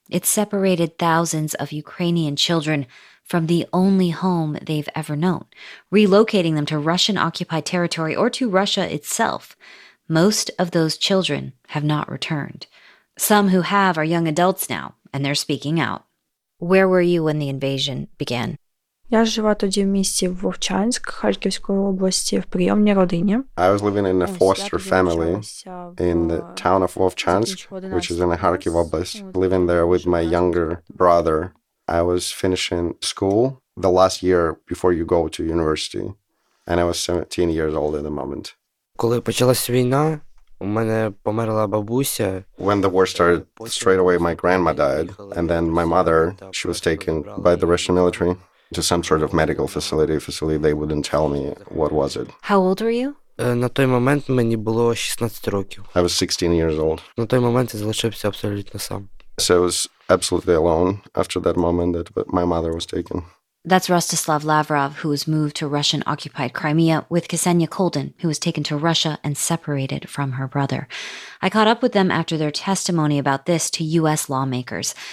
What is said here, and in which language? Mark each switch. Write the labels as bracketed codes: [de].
[en] It separated thousands of Ukrainian children from the only home they've ever known, relocating them to Russian-occupied territory or to Russia itself. Most of those children have not returned. Some who have are young adults now, and they're speaking out. Where were you when the invasion began? [uk] Я жила тоді в місті Вовчанськ Харківської області в прийомній родині. [en] I was living in a foster family in the town of Вовчанськ, which is in the Kharkiv Oblast. Living there with my younger brother, I was finishing school the last year before you go to university, and I was 17 years old at the moment. [uk] Коли почалась війна, у мене померла бабуся. [en] When the war started, straight away my grandma died, and then my mother, she was taken by the Russian military to some sort of medical facility, they wouldn't tell me what was it. How old were you? [uk] На той момент мені було 16 років. [en] I was 16 years old. [uk] На той момент я залишився абсолютно сам. [en] So I was absolutely alone after that moment that my mother was taken. That's Rostislav Lavrov, who was moved to Russian-occupied Crimea, with Ksenia Kolden, who was taken to Russia and separated from her brother. I caught up with them after their testimony about this to U.S. lawmakers.